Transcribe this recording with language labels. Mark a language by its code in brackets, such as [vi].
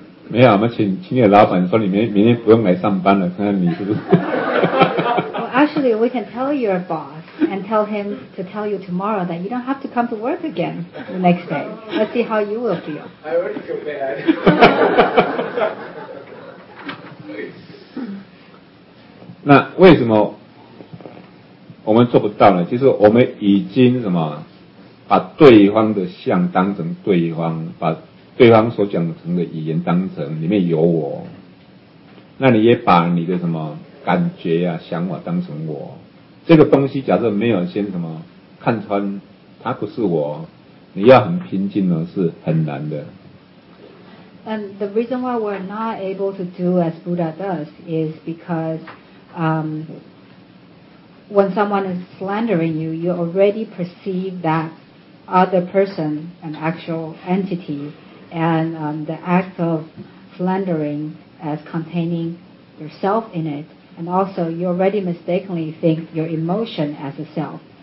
[zh] 没有，我们请你的老板说你明天不用来上班了，看看你是不是。 [en] Well, actually, we can tell your boss and tell him to tell you tomorrow that you don't have to come to work again the next day. Let's see how you will feel. I already feel bad. [zh] 那为什么？我们做不到呢，其实我们已经什么，把对方的像当成对方，把对方所讲成的语言当成里面有我。那你也把你的什么感觉啊想法当成我，这个东西假设没有先什么看穿它不是我，你要很平静呢是很难的。 [en] And the reason why we're not able to do as Buddha does is because when someone is slandering you, you already perceive that other person, an actual entity, and the act of slandering as containing yourself in it, and also you already mistakenly think your emotion as a self.